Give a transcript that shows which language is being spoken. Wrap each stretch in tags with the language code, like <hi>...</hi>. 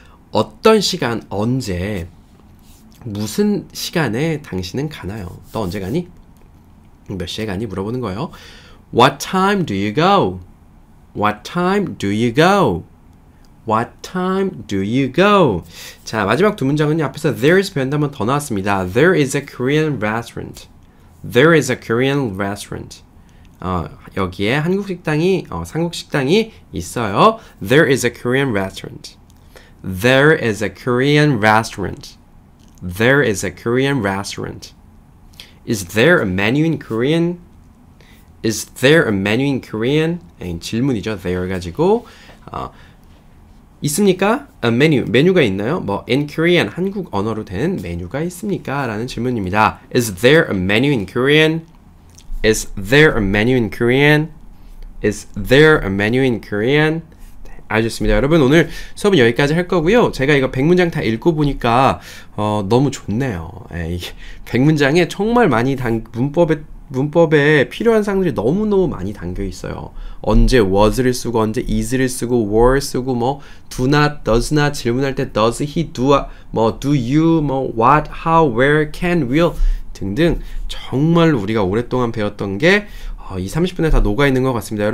<ko>어떤 시간, 언제, 무슨 시간에 당신은 가나요? 너 언제 가니? 몇 시에 가니? 물어보는 거예요.</ko> <en>What time do you go? What time do you go? What time do you go?</en> <ko>자, 마지막 두 문장은요. 앞에서 there is 표현 한번 더 나왔습니다.</ko> <en>There is a Korean restaurant. There is a Korean restaurant.</en> <ko>여기에 한국 식당이, 상국 식당이 있어요.</ko> <en>There is a Korean restaurant. There is a Korean restaurant. There is a Korean restaurant. Is there a menu in Korean? Is there a menu in Korean?</en> <ko>질문이죠. There 가지고. 있습니까? A menu. 메뉴가 있나요? 뭐 in Korean, 한국 언어로 된 메뉴가 있습니까? 라는 질문입니다.</ko> <en>Is there a menu in Korean? Is there a menu in Korean? Is there a menu in Korean?</en> <ko>알겠습니다. 여러분 오늘 수업은 여기까지 할 거고요. 제가 이거 100문장 다 읽고 보니까 너무 좋네요. 100문장에 정말 많이 문법에 필요한 사항들이 너무너무 많이 담겨 있어요. 언제 was를 쓰고 언제 is를 쓰고 were 쓰고 뭐 do not, does not 질문할 때 does he, do, 뭐 do you, 뭐 what, how, where, can, will 등등 정말 우리가 오랫동안 배웠던 게 이 30분에 다 녹아있는 것 같습니다.</ko>